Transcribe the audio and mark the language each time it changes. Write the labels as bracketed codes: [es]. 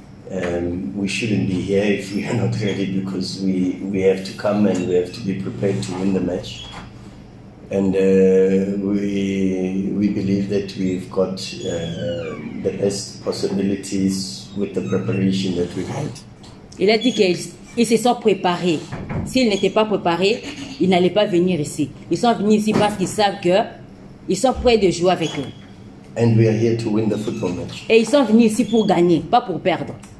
[en] And we shouldn't be here if we are not ready, because we have to come and we have to be prepared to win the match. And we believe that we've got the best possibilities with the preparation that we've had. [fr] Il a dit qu'ils se sont préparés. S'ils n'étaient pas préparés, ils n'allaient pas venir ici. Ils sont venus ici parce qu'ils savent que ils sont prêts de jouer avec eux. [en] And we are here to win the football match. [fr] Et ils sont venus ici pour gagner, pas pour perdre.